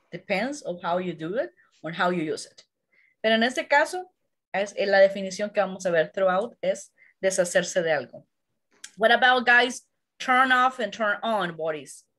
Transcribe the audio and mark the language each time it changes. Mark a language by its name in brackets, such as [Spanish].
[English] Depends of how you do it or how you use it. [Spanish] Pero en este caso, es la definición que vamos a ver throughout es deshacerse de algo. [English] What about, guys, turn off and turn on bodies?